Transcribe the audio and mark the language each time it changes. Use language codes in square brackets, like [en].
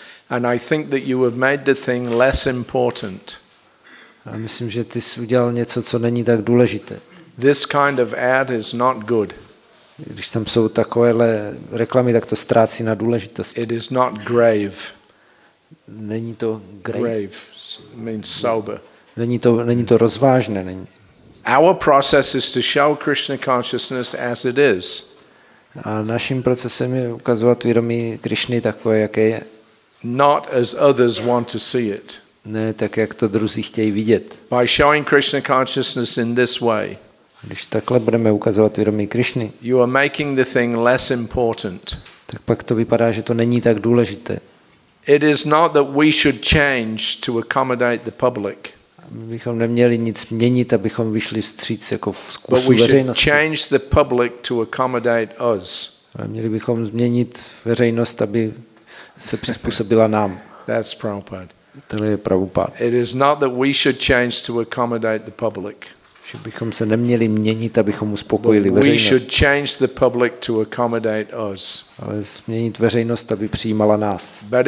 [en] And I think that you have made the thing less important. [cs] Já myslím, že ty jsi udělal něco, co není tak důležité. [en] This kind of ad is not good. [cs] Když tam jsou takovéhle reklamy, tak to ztrácí na důležitosti. [en] It is not grave. [cs] Není to grave. [en] Grave means sober. [cs] Není to rozvážné, není. [en] Our process is to show Krishna consciousness as it is. [cs] A naším procesem je ukazovat vědomí Krišny takové, jaké je. [en] Not as others want to see it. [cs] Ne tak, jak to druzí chtějí vidět. [en] By showing Krishna consciousness in this way. [cs] Když takhle budeme ukazovat vědomí Krišny, [en] you are making the thing less important. [cs] Tak pak to vypadá, že to není tak důležité. [en] It is not that we should change to accommodate the public. [cs] My bychom neměli nic měnit, abychom vyšli vstříc jako vkusu veřejnosti. [en] But we should change the public to accommodate us. [cs] A měli bychom změnit veřejnost, aby se přizpůsobila nám. [en] That's Prabhupada. [cs] Tohle je Prabhupada. [en] It is not that we should change to accommodate the public. [cs] Že bychom se neměli měnit, abychom uspokojili veřejnost. Ale změnit veřejnost, aby přijímala nás.